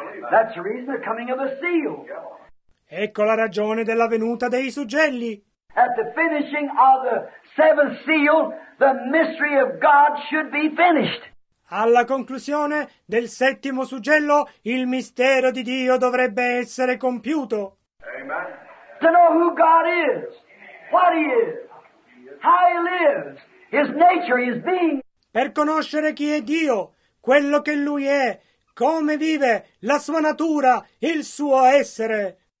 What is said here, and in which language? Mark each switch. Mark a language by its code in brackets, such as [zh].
[en] That's the reason of coming of the seal. [it] Ecco la ragione della venuta dei suggelli. [en] At the finishing of the seventh seal, the mystery of God should be finished. [it] Alla conclusione del settimo suggello, il mistero di Dio dovrebbe essere compiuto. [en] Amen. To know who God is, what he is, how he lives, his nature, his being. [it] Per conoscere chi è Dio, quello che lui è, come vive, la sua natura, il suo essere.